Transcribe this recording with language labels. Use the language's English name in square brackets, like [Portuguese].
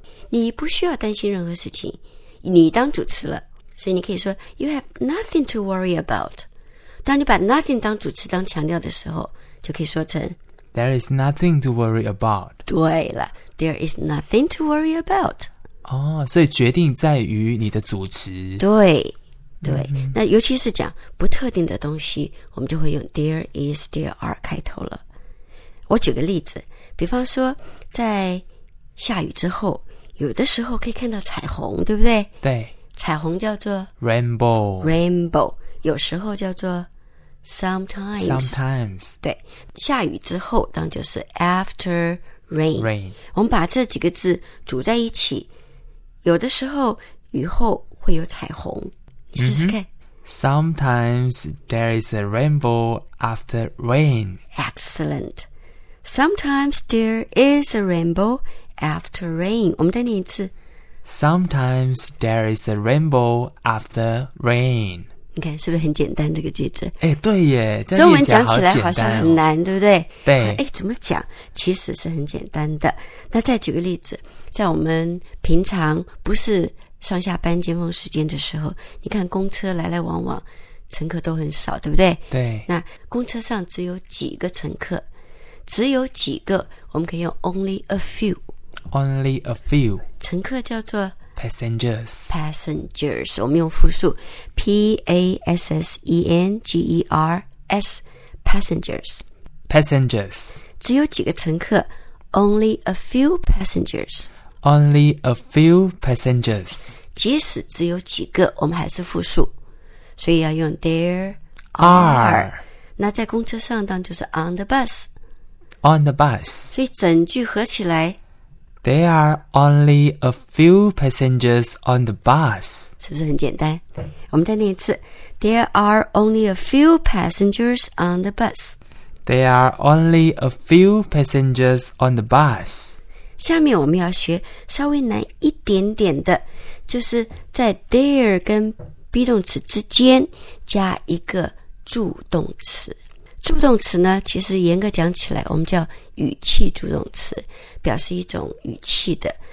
[Chinese] 你不需要担心任何事情，你当主词了，所以你可以说 [English] You have nothing to worry about. [Chinese] 当你把 nothing 当主词当强调的时候，就可以说成 [English] There is nothing to worry about. [Chinese] 对了， [English] There is nothing to worry about. [Chinese] 哦，所以决定在于你的主词。对对、那尤其是讲不特定的东西，我们就会用 There is, there are 开头了。我举个例子，比方说在下雨之后有的时候可以看到彩虹，对不对？对，彩虹叫做 [English] Rainbow， [Chinese] Rainbow 有时候叫做 Sometimes， [English] Sometimes [Chinese] 对，下雨之后当就是 After Rain， [English] Rain [Chinese] 我们把这几个字组在一起，有的时候雨后会有彩虹，你试试看、 [English] Sometimes there is a rainbow after rain. Excellent. Sometimes there is a rainbow after rain. [Chinese] 我们再念一次。 [English] Sometimes there is a rainbow after rain. [Chinese] 你看是不是很简单这个句子？哎，对耶，中文讲起来好像很难，对不对？对。哎，怎么讲？其实是很简单的。那再举个例子，在我们平常不是上下班尖峰时间的时候，你看公车来来往往，乘客都很少，对不对？对。那公车上只有几个乘客。只有几个，我们可以用 only a few。 [English] only a few。 [Chinese] 乘客叫做 [English] passengers。 passengers， [Chinese] 我们用复数 [English] ，p a s s e n g e r s， passengers。 passengers。 [Chinese] 只有几个乘客 [English] ，only a few passengers。 only a few passengers。 [Chinese] 即使只有几个，我们还是复数，所以要用 there [English] are。 [Chinese] 那在公车上当就是 on the bus。 [English] On the bus. [Chinese] 所以整句合起来 [English] There are only a few passengers on the bus. [Chinese] 是不是很简单？我们再念一次 [English] There are only a few passengers on the bus. There are only a few passengers on the bus. [Chinese] 下面我们要学稍微难一点点的，就是在 there 跟 be 动词之间加一个助动词。助动词呢，其实严格讲起来我们叫语气助动词，表示一种语气的。